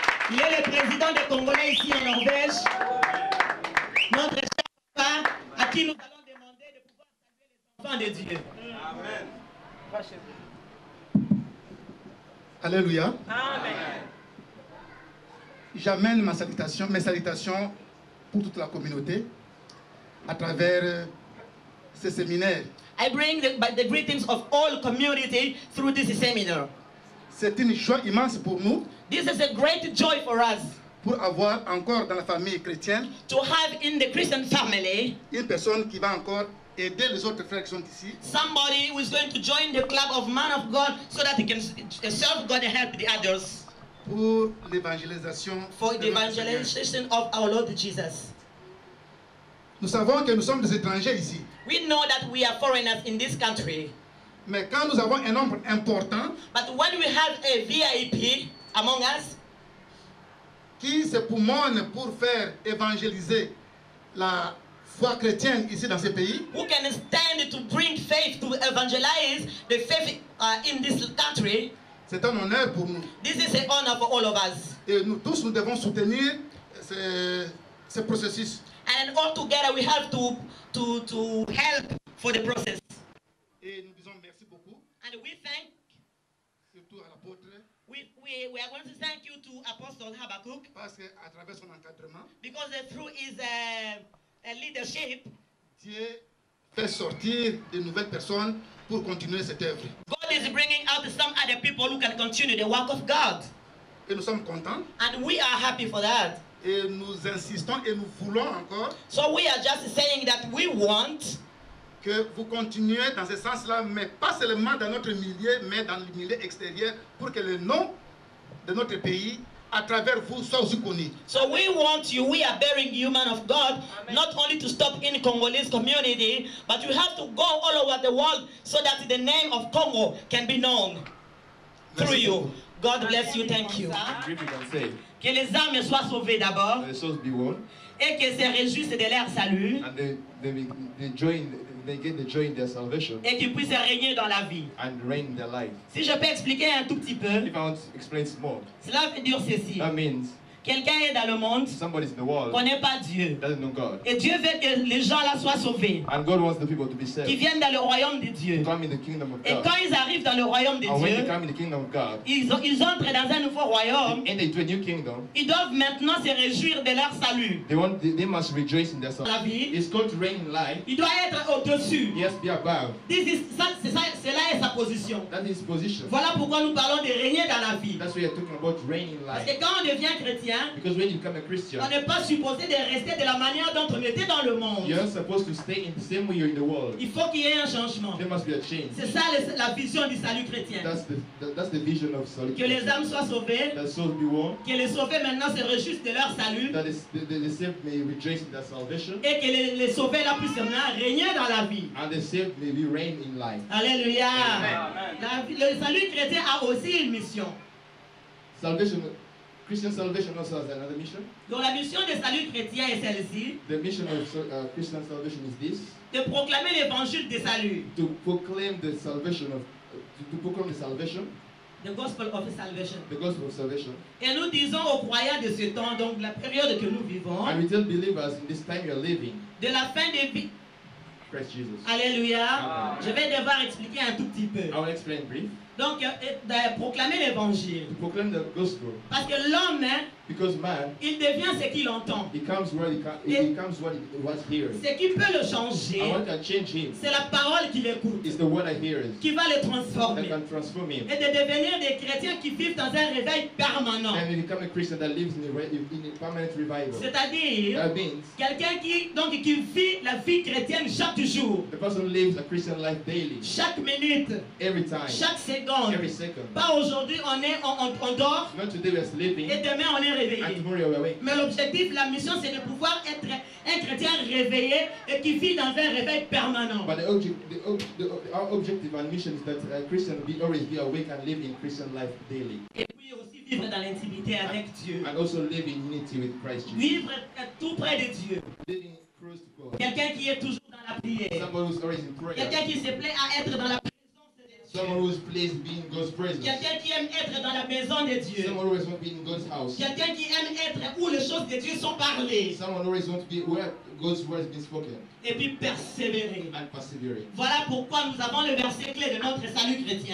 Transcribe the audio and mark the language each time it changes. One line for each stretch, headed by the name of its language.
French: Il est le président des Congolais ici en Norvège. Notre cher Papa, à qui nous allons demander de pouvoir saluer les enfants de Dieu. Amen. Alléluia. Amen. J'amène mes salutations pour toute la communauté à travers ce séminaire.
English: I bring the greetings of all community through this seminar.
French: C'est une joie immense pour nous.
English: This is a great joy for us.
French: Pour avoir encore dans la famille chrétienne.
English: To have in the Christian family.
French: Une personne qui va encore aider les autres frères qui sont ici.
English: Somebody who is going to join the club of man of God so that he can serve God and help the others.
French: Pour l'évangélisation.
English: For the evangelization of our Lord Jesus.
French: Nous savons que nous sommes des étrangers ici.
English: We know that we are foreigners in this country.
French: Mais quand nous avons un nombre important.
English: But when we have a VIP among us.
French: Qui se poumonne pour faire évangéliser la foi chrétienne ici dans ce pays.
English: Who can stand to bring faith to evangelize the faith in this country.
French: C'est un honneur pour nous.
English: This is an honor for all of us.
French: Et nous tous, nous devons soutenir ce processus.
English: And all together, we have to help for the process.
French: Et nous disons merci beaucoup.
English: And we thank.
French: Surtout à l'apôtre.
English: We are going to thank you to Apostle Habakkuk.
French: Parce que à travers son encadrement.
English: Because through his leadership.
French: Dieu fait sortir de nouvelles personnes. Pour continuer cette œuvre.
English: God is bringing out some other people who can continue the work of God.
French: Et nous sommes contents.
English: And we are happy for that.
French: Et nous insistons et nous voulons encore.
English: So we are just saying that we want
French: que vous continuez dans ce sens-là, mais pas seulement dans notre milieu, mais dans le milieu extérieur, pour que le nom de notre pays à travers vous soit aussi connu.
English: So we want you, we are bearing you, man of God. Amen. Not only to stop in Congolese community, but you have to go all over the world so that the name of Congo can be known.
French: Merci
English: through
French: beaucoup.
English: You. God bless you, thank you.
French: Que les âmes soient sauvées d'abord.
English: The souls be won.
French: Et que se réjouissent de leur salut.
English: And they get the joy in their salvation.
French: Et qu'ils puissent régner dans la vie.
English: And reign their life.
French: Si je peux expliquer un tout petit peu.
English: If I want to explain more.
French: Cela veut dire ceci.
English: That means.
French: Quelqu'un est dans le monde.
English: Somebody's in the world.
French: Connaît pas Dieu.
English: Doesn't know God.
French: Et Dieu veut que les gens là soient sauvés.
English: And God wants the people to be saved.
French: Qui viennent dans le royaume de Dieu.
English: Come in the kingdom of God.
French: Et quand ils arrivent dans le royaume de
English: and
French: Dieu.
English: When they come in the kingdom of God.
French: Ils entrent dans un nouveau royaume.
English: And they enter a new kingdom.
French: Ils doivent maintenant se réjouir de leur salut.
English: They must rejoice in their salvation.
French: La vie.
English: It's called reign in life.
French: Il doit être au-dessus.
English: Yes, be above. This is
French: cela est sa position.
English: That is his position.
French: Voilà pourquoi nous parlons de régner dans la vie.
English: That's why you're talking about reign in life.
French: Parce que quand on devient chrétien.
English: Because when you become a Christian,
French: on n'est pas supposé de rester de la manière dont on était dans le monde.
English: You're supposed to stay in the same way you're in the world.
French: Il faut qu'il y ait un changement.
English: There must be a change.
French: C'est ça la vision du salut chrétien.
English: That's the vision of salvation.
French: Que les âmes soient sauvées.
English: That souls be won.
French: Que les sauvés maintenant se réjouissent de leur salut.
English: That the saved may rejoice in their salvation.
French: Et que les sauvés là puissent maintenant régner dans la vie.
English: And the saved may be reign in life. Alléluia. Amen.
French: Le salut chrétien a aussi une mission.
English: Salvation. Christian salvation also has another mission.
French: Donc la mission de salut chrétien est celle-ci.
English: The mission of Christian salvation is this.
French: De proclamer l'évangile de salut.
English: To proclaim the salvation of, to proclaim the salvation. The gospel of salvation. The gospel of salvation.
French: Et nous disons aux croyants de ce temps, donc la période que nous vivons.
English: And we tell believers in this time you are living.
French: De la fin des vies.
English: Christ Jesus. Alléluia. Amen.
French: Je vais devoir expliquer un tout petit peu.
English: I will explain brief.
French: Donc, de proclamer l'évangile.
English: To proclaim the gospel.
French: Parce que l'homme
English: Because man,
French: il devient ce qu'il entend.
English: Becomes what he, becomes what he was hearing.
French: Ce qui peut le changer,
English: I want to change him.
French: C'est la parole qu'il écoute.
English: It's the word I hear it.
French: Qui va le transformer.
English: That can transform him.
French: Et de devenir des chrétiens qui vivent dans un réveil permanent.
English: And become a Christian that lives in a permanent revival.
French: C'est-à-dire,
English: that means,
French: quelqu'un qui donc qui vit la vie chrétienne chaque jour.
English: The person who lives a Christian life daily.
French: Chaque minute.
English: Every time.
French: Chaque seconde.
English: Every second.
French: Pas aujourd'hui on dort.
English: Not today we're sleeping.
French: Et demain on est réveillé. Mais l'objectif, la mission, c'est de pouvoir être un chrétien réveillé et qui vit dans un réveil permanent.
English: But our objective and mission is that a Christian be always be awake and live in Christian life daily.
French: Et puis aussi vivre dans l'intimité avec Dieu.
English: And also live in unity with Christ Jesus.
French: Vivre tout près de Dieu.
English: Living close to God.
French: Quelqu'un qui est toujours dans la prière.
English: Somebody who's always in prayer.
French: Quelqu'un qui se plaît à être dans la prière.
English: Someone who is pleased being God's presence.
French: Quelqu'un qui aime être dans la maison de Dieu.
English: Someone who is wanting to be in God's house.
French: Quelqu'un qui aime être où les choses de Dieu sont parlées.
English: Someone who is wanting to be where God's word is being spoken.
French: Et puis persévérer.
English: And persevering.
French: Voilà pourquoi nous avons le verset clé de notre salut chrétien.